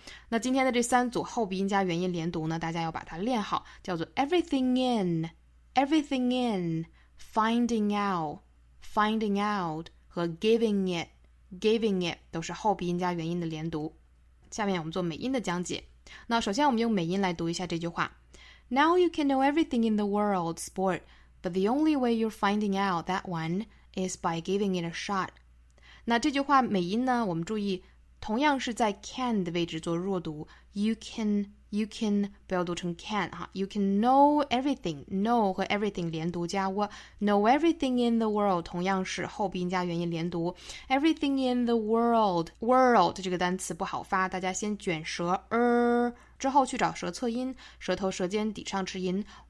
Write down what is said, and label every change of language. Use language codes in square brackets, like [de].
[zh] 那今天的这三组后鼻音加元音连读呢，大家要把它练好，叫做 everything in, finding out,和 giving it 都是后鼻音加元音的连读。下面我们做美音的讲解。那首先我们用美音来读一下这句话。 [en] Now you can know everything in the world, sport, but the only way you're finding out that one is by giving it a shot. [zh] 那这句话美音呢，我们注意同样是在 can 的位置做弱读。 You can, 不要读成 can, [en] you can know everything, [zh] know 和 everything 连读加 what, [en] know everything in the world, [zh] 同样是后鼻音加元音连读 [en] everything in the world, [zh] world 这个单词不好发，大家先卷舌之后去找舌侧音，舌头舌尖抵上齿龈